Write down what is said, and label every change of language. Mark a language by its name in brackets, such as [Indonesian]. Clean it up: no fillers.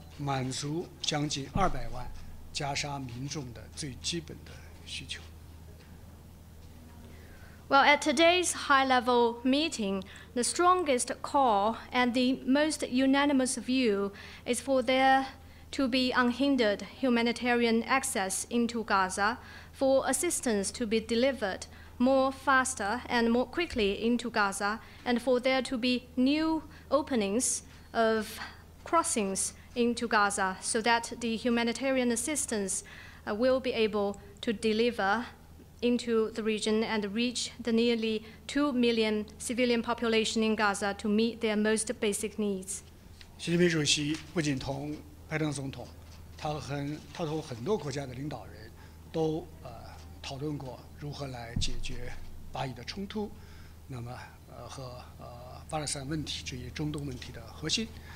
[Chinese] 今天高级别会议上最强烈的呼声、最一致的愿望就是要打通人道救援的通道，要加快物资的运入，要开辟新的过境点，要满足将近200万。 [English] Well, at today's high-level meeting, the strongest call and the most unanimous view is for there to be unhindered humanitarian access into Gaza, for assistance to be delivered more faster and more quickly into Gaza, and for there to be new openings of crossings into Gaza so that the humanitarian assistance will be able to deliver into the region and reach the nearly 2 million civilian population in Gaza to meet their most basic needs. [Chinese] Xi Jinping主席不仅同拜登总统，他和很多国家的领导人都讨论过如何来解决巴以的冲突，那么和巴勒斯坦问题这些中东问题的核心。